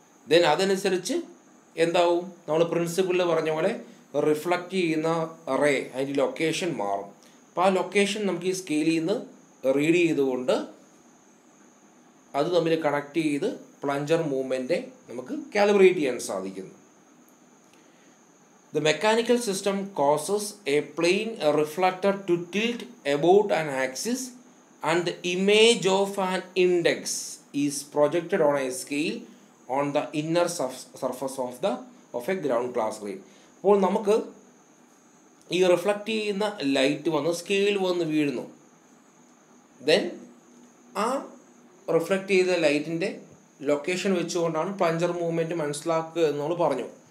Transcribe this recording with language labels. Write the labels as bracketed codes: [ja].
[ml] Then അതനുസരിച്ച് എന്താവും, നമ്മൾ പ്രിൻസിപ്പിളിൽ പറഞ്ഞ പോലെ റിഫ്ലക്റ്റ് ചെയ്യുന്ന റേ അതിൻ്റെ ലൊക്കേഷൻ മാറും. അപ്പോൾ ആ ലൊക്കേഷൻ നമുക്ക് ഈ സ്കെയിലിൽ നിന്ന് റീഡ് ചെയ്തുകൊണ്ട് അത് തമ്മിൽ കണക്ട് ചെയ്ത് പ്ലഞ്ചർ മൂവ്മെൻറ്റെ നമുക്ക് കാലിബ്രേറ്റ് ചെയ്യാൻ സാധിക്കുന്നു. [en] The mechanical system causes a plane reflector to tilt about an axis and the image of an index is projected on a scale on the inner surface of the of a ground glass screen. [ml] അപ്പോൾ നമുക്ക് ഈ reflect ചെയ്യുന്ന light വന്ന് scale വന്ന് വീഴുന്നു, then ആ reflect ചെയ്ത ലൈറ്റിൻ്റെ ലൊക്കേഷൻ വെച്ചുകൊണ്ടാണ് പ്ലഞ്ചർ മൂവ്മെൻറ്റ് മനസ്സിലാക്കുക എന്നോട് പറഞ്ഞു.